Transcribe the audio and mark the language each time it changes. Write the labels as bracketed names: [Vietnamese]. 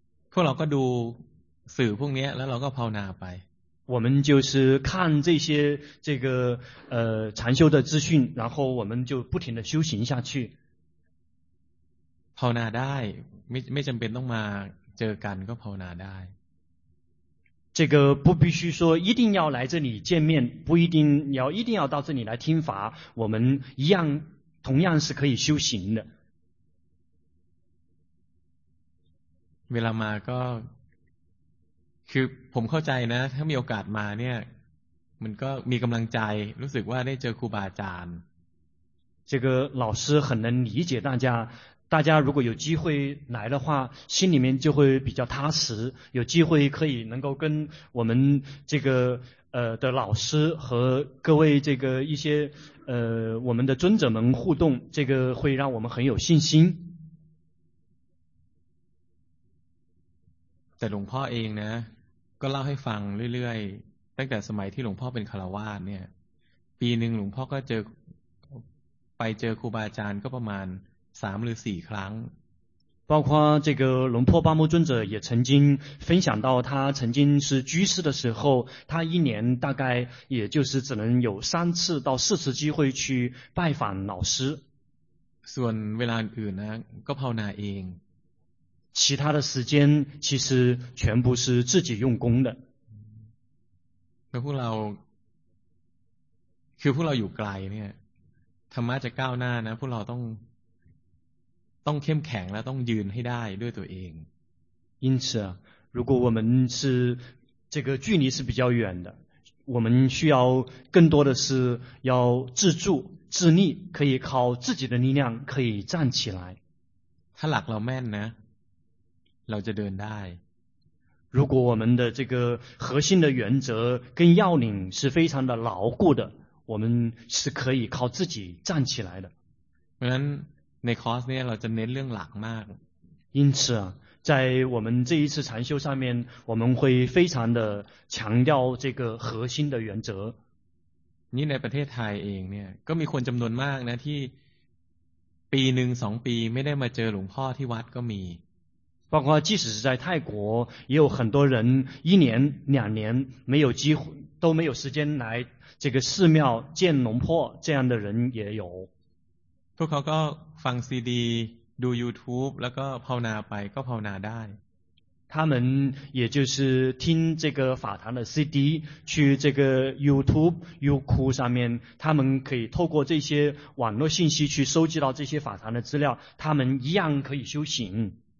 [Thai] พวกเราก็ดูสื่อพวกนี้แล้วเราก็ภาวนาไป [Chinese] 我们就是看这些这个禅修的资讯然后我们就不停的修行下去 [Thai] ภาวนาได้ไม่จำเป็นต้องมาเจอกันก็ภาวนาได้ [Chinese] 这个不必须说一定要来这里见面不一定要一定要到这里来听法我们一样同样是可以修行的 [Thai] เวลามาก็คือผมเข้าใจนะถ้ามีโอกาสมาเนี่ยมันก็มีกำลังใจรู้สึกว่าได้เจอครูบาอาจารย์ [Chinese] 这个老师很能理解大家如果有机会来的话心里面就会比较踏实有机会可以能够跟我们这个的老师和各位这个一些我们的尊者们互动这个会让我们很有信心 [Thai] แต่หลวงพ่อเองนะก็เล่าให้ฟังเรื่อยๆตั้งแต่สมัยที่หลวงพ่อเป็นคฤหัสถ์เนี่ยปีนึงหลวงพ่อก็เจอไปเจอครูบาอาจารย์ก็ประมาณ3หรือ4ครั้ง [Chinese] 包括这个龙破巴木尊者也曾经分享到他曾经是居士的时候他一年大概也就是只能有3次到4次机会去拜访老师 [Thai] ส่วนเวลาอื่นนะก็ภาวนาเอง [Chinese] 其他的时间其实全部是自己用功的 [Thai] แต่พวกเราคือพวกเราอยู่ไกลเนี่ยธรรมะจะก้าวหน้านะพวกเราต้องเข้มแข็งและต้องยืนให้ได้ด้วยตัวเอง [Chinese] 因此如果我们是这个距离是比较远的我们需要更多的是要自助自立可以靠自己的力量可以站起来 [Thai] ถ้าหลักเราแม่นนะเราจะเดินได้ [Chinese] 如果我们的这个核心的原则跟要领是非常的牢固的我们是可以靠自己站起来的 [Thai] เพราะฉะนั้นในคอร์สเนี่ยเราจะเน้นเรื่องหลักมาก [Chinese] 因此在我们这一次禅修上面我们会非常的强调这个核心的原则 [Thai] นี่ในประเทศไทยเองเนี่ยก็มีคนจำนวนมากนะที่ปีหนึ่งสองปีไม่ได้มาเจอหลวงพ่อที่วัดก็มี [Chinese] 包括即使是在泰国也有很多人一年两年没有机会都没有时间来这个寺庙见龙婆这样的人也有 [Thai] พวกเขาก็ฟัง CD ดู YouTube แล้วก็ภาวนาไปก็ภาวนาได้ [Chinese] 他们也就是听这个法堂的 CD 去这个 YouTube Youku 上面他们可以透过这些网络信息去收集到这些法堂的资料他们一样可以修行